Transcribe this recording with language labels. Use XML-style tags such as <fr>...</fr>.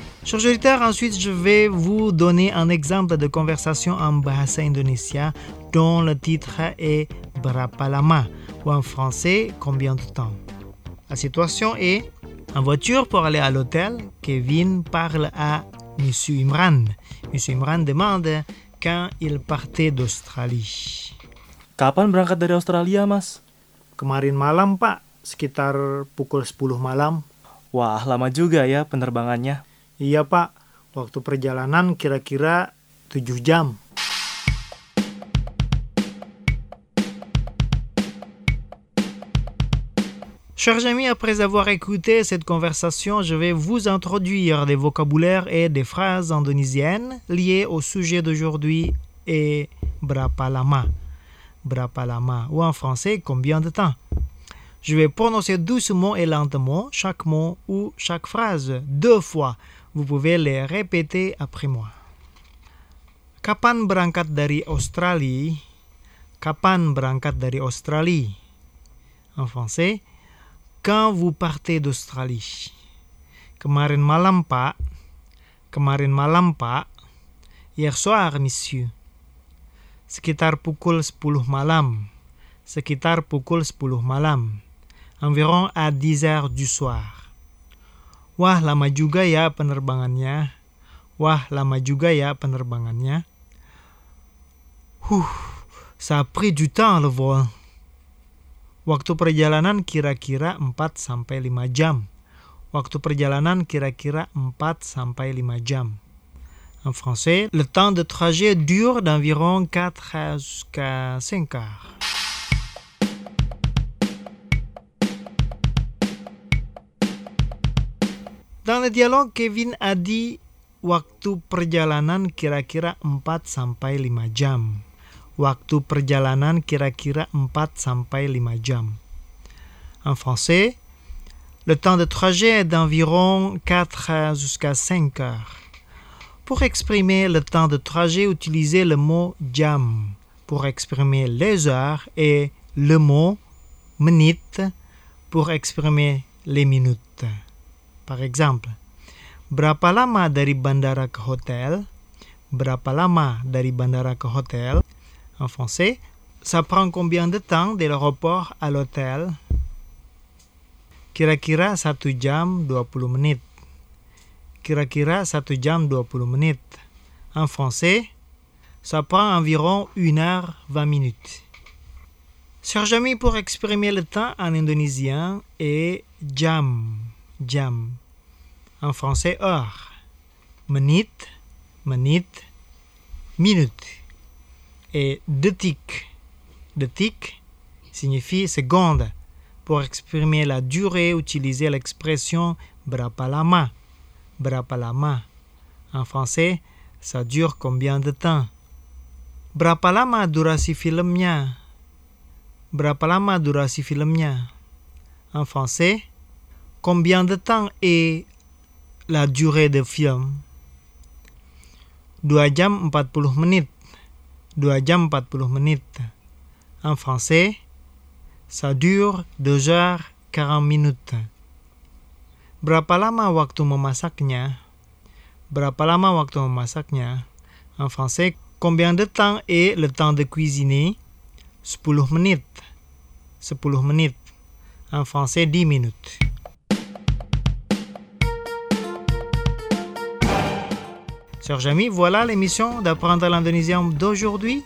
<fr>Chers auditeurs, ensuite je vais vous donner un exemple de conversation en bahasa indonésien dont le titre est Berapa lama, ou en français, combien de temps? La situation est: en voiture pour aller à l'hôtel, Kevin parle à Monsieur Imran. Monsieur Imran demande quand il partait d'Australie.</fr> <id>Kapan berangkat dari Australia, Mas? Kemarin malam, Pak. Sekitar pukul 10 malam. Wah, lama juga ya penerbangannya. Iya, Pak. Waktu perjalanan kira-kira 7 jam.</id> <fr>Chers amis, après avoir écouté cette conversation, je vais vous introduire des vocabulaires et des phrases indonésiennes liées au sujet d'aujourd'hui et berapa lama. Berapa lama, ou en français, combien de temps? Je vais prononcer doucement et lentement chaque mot ou chaque phrase deux fois. Vous pouvez les répéter après moi.</fr> <id>Kapan berangkat dari Australie? Kapan berangkat dari Australie?</id> <fr>En français, quand vous partez d'Australie?</fr> <id>Kemarin malam, Pak. Kemarin malam, Pak.</id> <fr>Hier soir, monsieur.</fr> <id>Sekitar pukul 10 malam. Sekitar pukul 10 malam.</id> <fr>Environ à 10 heures du soir.</fr> <id>Wah, lama juga ya penerbangannya. Wah, lama juga ya penerbangannya.</id> <fr>Huh, ça a pris du temps le vol.</fr> <id>Waktu perjalanan kira-kira 4-5 jam. Waktu perjalanan kira-kira 4-5 jam.</id> <fr>En français, le temps de trajet dure d'environ 4-5 heures. Dans le dialogue, Kevin a dit</fr> <id>waktu perjalanan kira-kira 4-5 jam.</id> <fr>Waktu perjalanan kira-kira 4-5 jam. En français, le temps de trajet est d'environ 4 jusqu'à 5 heures. Pour exprimer le temps de trajet, utilisez le mot jam pour exprimer les heures et le mot menite pour exprimer les minutes. Par exemple,</fr> <id>berapa lama dari bandara ke hotel? Berapa lama dari bandara ke hotel?</id> <fr>En français, ça prend combien de temps de l'aéroport à l'hôtel?</fr> <id>Kira-kira 1 jam 20 menit. Kira-kira 1 jam 20 menit.</id> <fr>En français, ça prend environ 1 heure 20 minutes. Sur jamais pour exprimer le temps en indonésien est jam. Jam. En français, heure. Minute, minute, minute. Et de tic. De tic signifie seconde. Pour exprimer la durée, utilisez l'expression berapa lama. Berapa lama. En français, ça dure combien de temps?</fr> <id>Berapa lama durasi filmnya? Berapa lama durasi filmnya?</id> <fr>En français, combien de temps est la durée de film?</fr> <id>2 jam 40 menit. 2 jam 40 menit.</id> <fr>En français, ça dure 2 heures 40 minutes.</fr> <id>Berapa lama waktu memasaknya? Berapa lama waktu memasaknya?</id> <fr>En français, combien de temps est le temps de cuisiner?</fr> <id>10 menit. 10 menit.</id> <fr>En français, 10 minutes. Chers amis, voilà l'émission d'apprendre l'indonésien d'aujourd'hui.</fr>